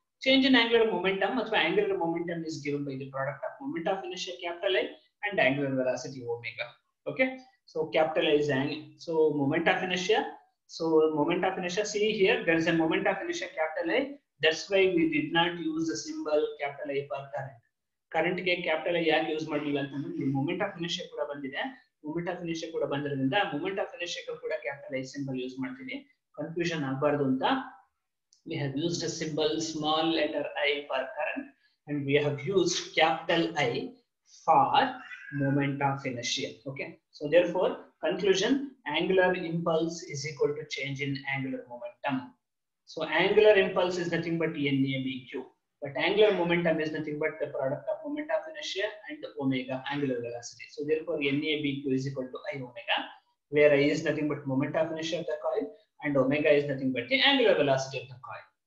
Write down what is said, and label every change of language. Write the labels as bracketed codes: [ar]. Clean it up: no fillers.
[en] Change in angular momentum athwa angular momentum is given by the product of moment of inertia capital I and angular velocity omega. Okay, so capital I is so moment of inertia. So moment of inertia, see here there is a moment of inertia capital I, that's why we did not use the symbol capital I for current. [kn] Current ಗೆ capital I ಯಾಕೆ use ಮಾಡಲಿಲ್ಲ ಅಂತಂದ್ರೆ moment of inertia ಕೂಡ ಬಂದಿದೆ. Moment of inertia ಕೂಡ ಬಂದಿರೋದ್ರಿಂದ moment of inertia ಕೂಡ capital I symbol use ಮಾಡ್ತೀನಿ. ಕನ್ಫ್ಯೂಷನ್ ಆಗಬಾರ್ದು ಅಂತ [en] We have used a symbol small letter I for current and we have used capital I for moment of inertia. Okay, so therefore conclusion, angular impulse is equal to change in angular momentum. So angular impulse is nothing but NABQ. But angular momentum is nothing but the product of moment of inertia and omega, angular velocity. So therefore NABQ is equal to I omega, where I is nothing but moment of inertia of the coil and omega is nothing but the angular velocity of the coil.